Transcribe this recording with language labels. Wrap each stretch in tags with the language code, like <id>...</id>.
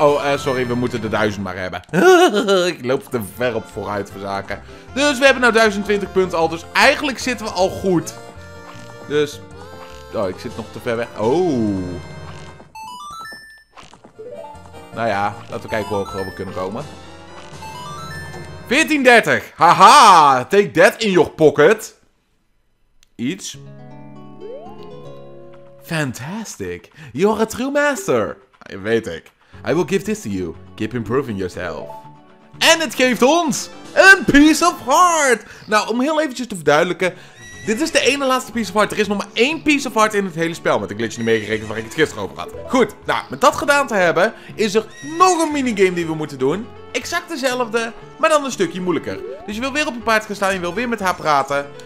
<nl>oh, sorry, we moeten de 1000 maar hebben. Ik loop te ver op vooruit voor zaken. Dus we hebben nou 1020 punten al. Dus eigenlijk zitten we al goed. Dus... oh, ik zit nog te ver weg. Oh. Nou ja, laten we kijken hoe we kunnen komen. 1430.</nl> <en>Haha, take that in your pocket.</en> <nl>Iets.</nl> <en>Fantastic. You're a true master.</en> <nl>Weet ik.</nl> <en>I will give this to you. Keep improving yourself.</en> <nl>En het geeft ons een piece of heart. Nou, om heel eventjes te verduidelijken. Dit is de ene laatste piece of heart. Er is nog maar één piece of heart in het hele spel. Met een glitch niet meegerekend waar ik het gisteren over had. Goed, nou, met dat gedaan te hebben, is er nog een minigame die we moeten doen. Exact dezelfde, maar dan een stukje moeilijker. Dus je wil weer op een paard gaan staan, je wil weer met haar praten.</nl>